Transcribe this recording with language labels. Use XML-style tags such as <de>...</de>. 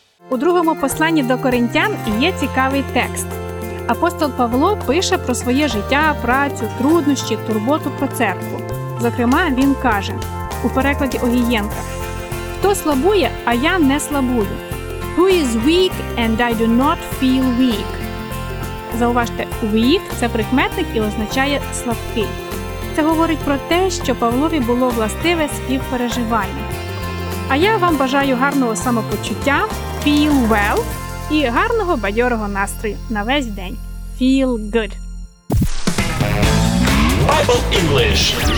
<uk>У другому посланні до коринтян є цікавий текст. Апостол Павло пише про своє життя, працю, труднощі, турботу про церкву. Зокрема, він каже у перекладі Огієнка – хто слабує, а я не слабую.</uk> <en>Who is weak and I do not feel weak?</en> <uk>Зауважте, weak – це прикметник і означає слабкий. Це говорить про те, що Павлові було властиве співпереживання. А я вам бажаю гарного самопочуття,</uk> <en>feel well,</en> <uk>і гарного бадьорого настрою на весь день.</uk> <en>Feel good! Bible English.</en>